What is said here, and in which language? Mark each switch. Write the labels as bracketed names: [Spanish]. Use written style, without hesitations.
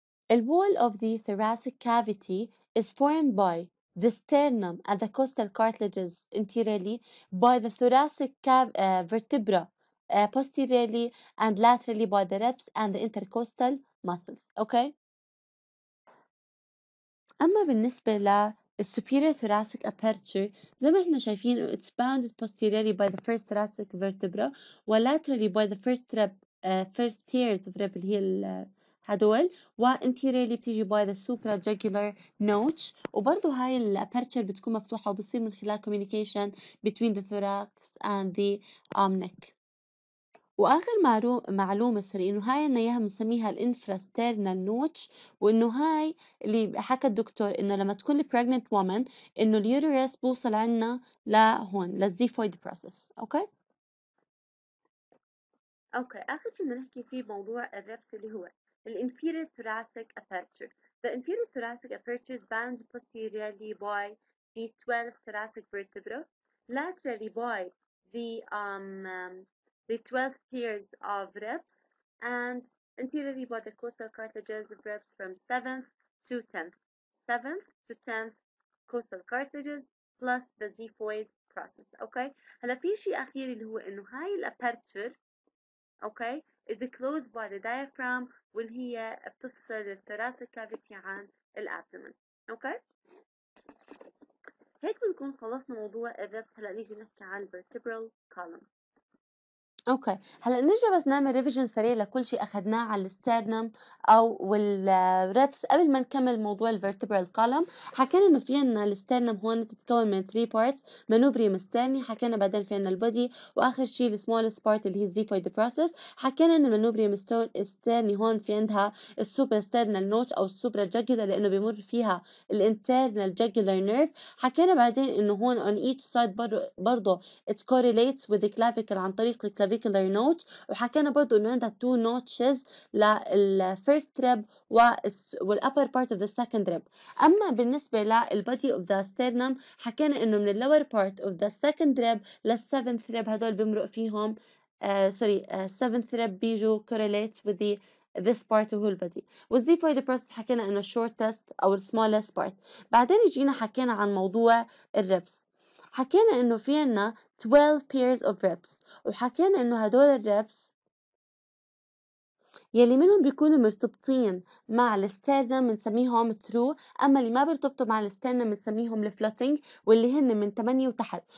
[English] الوول of the thoracic cavity is formed by the sternum and the costal cartilages anteriorly by the thoracic vertebra posteriorly and laterally by the ribs and the intercostal muscles. Okay. [Arabic] أما بالنسبة ل [English] superior thoracic aperture [Arabic] زي ما إحنا شايفين [English] it's bounded posteriorly by the first thoracic vertebra و laterally by the first rib first pairs of rib [Arabic] اللي هي هدول و [English] anteriorly [Arabic] بتيجي [English] by the suprajugular notch. [Arabic] وبرضو هاي ال aperture بتكون مفتوحة وبصير من خلال [English] communication between the thorax and the neck. [Arabic] واخر معلومه سوري انه هاي انا اياها بنسميها الانفراسترنال نوتش، وانه هاي اللي حكى الدكتور انه لما تكون البريجننت وومن انه اليوتيرس بوصل عنا لهون للزيفويد بروسس. اوكي، اخر شيء بدنا نحكي فيه موضوع الريبس اللي هو الانفيريور ثوراسيك ابيرتشر. [English] The inferior thoracic aperture is bound posteriorly by the 12 thoracic vertebra laterally by the the 12 pairs of ribs and anteriorly by the costal cartilages of ribs from 7th to 10th 7th to 10th costal cartilages plus the xiphoid process. [Arabic] Okay, هلا في شيء اخير اللي هو انه هاي الابرتشر اوكي [English] is closed by the diaphragm [Arabic] واللي هي بتفصل الثراسيك كافيتي عن الابدومن. اوكي، هيك بنكون خلصنا موضوع الريبس. هلا نيجي نحكي عن vertebral column. اوكي هلا نرجع بس نعمل ريفيجن سريع لكل شيء اخذناه على الستيرنم او والريبس قبل ما نكمل موضوع الفيرتبرال كولوم. حكينا انه في عندنا الستيرنم هون بتتكون من 3 بارتس، مانوبريوم ستيرني، حكينا بعدين في عندنا البودي، واخر شيء السمولست بارت اللي هي زيفويد بروسس. حكينا انه المانوبريوم ستيرني هون في عندها السوبر ستيرنال نوت او السوبر جاجولار لانه بيمر فيها الانترنال جاجولار نيرف. حكينا بعدين انه هون [English] on each side [Arabic] برضه [English] articulates with clavicle [Arabic] عن طريق [English] clavicular notch، [Arabic] وحكينا برضو انه عندها [English] two notches لل first rib وال upper part of the second rib. [Arabic] اما بالنسبة لل [English] body of the sternum [Arabic] حكينا انه من ال [English] lower part of the second rib لل seventh rib [Arabic] هدول بمرق فيهم [English] seventh rib [Arabic] بيجو [English] correlates with the this part of the body. [Arabic] والزيفويد بروسس حكينا انه shortest او smallest part. بعدين يجينا حكينا عن موضوع الريبس، حكينا انه في عنا 12 pairs of ribs، وحكينا انه هدول الريبس يلي منهم بيكونوا مرتبطين مع الستيرنم بنسميهم ترو، اما اللي ما بيرتبطوا مع الستيرنم بنسميهم الفلوتينج، واللي هن من 8 وتحت.